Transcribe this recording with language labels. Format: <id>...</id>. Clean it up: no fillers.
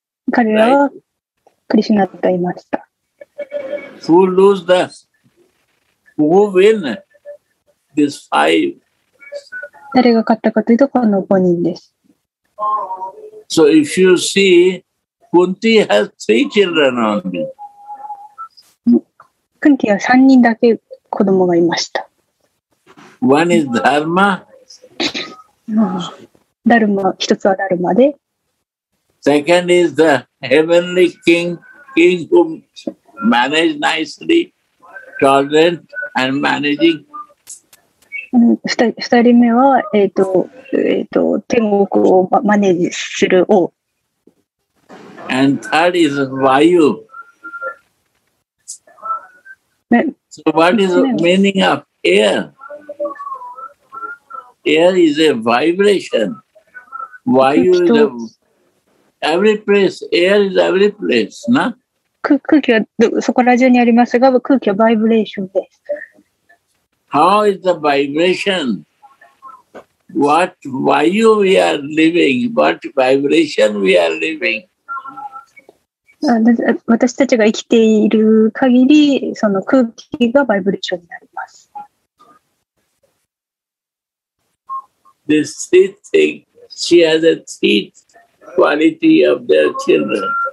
<ja>彼らはクリシュナといました。</ja> <en>Who lose the? Who win this five?</en> <ja>誰が勝ったかというとこの5人です。</ja> <en>So if you see, Kunti has three children only.</en> <ja>Kunti は3人だけ子供がいました。</ja> <en>One is Dharma.</en> <ja>ダルマ、一つはダルマで。</ja> <en>Second is the heavenly king, king who managed nicely, tolerant and managing.</en> <ja>二人目は、天国をマネージする王。</ja> <en>And third is Vayu. So what is the meaning of air? Air is a vibration. Vayu is a... Every place, air is every place, na?</en> <ja>空気はそこら中にありますが、空気は vibration です。</ja> <en>How is the vibration? what value we are living, what vibration we are living.</en> <ja>私たちが生きている限り、その空気がバイブレーションになります。</ja> <en>The sweet thing, she has a sweet quality of their children.</en>